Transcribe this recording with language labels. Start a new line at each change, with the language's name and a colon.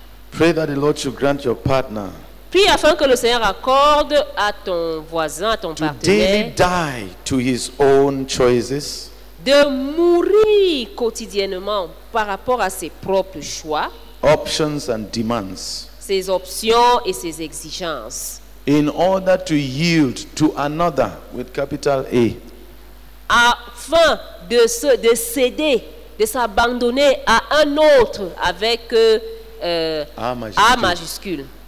English: Pray that the Lord should grant your partner.
French: Puis afin que le Seigneur accorde à ton voisin, à ton
English: to
French: partenaire.
English: Daily die to his own choices.
French: De mourir quotidiennement par rapport à ses propres choix.
English: Options and demands.
French: Ses options et ses exigences.
English: In order to yield to another with capital A.
French: Afin de céder, de s'abandonner à un autre avec A majuscule.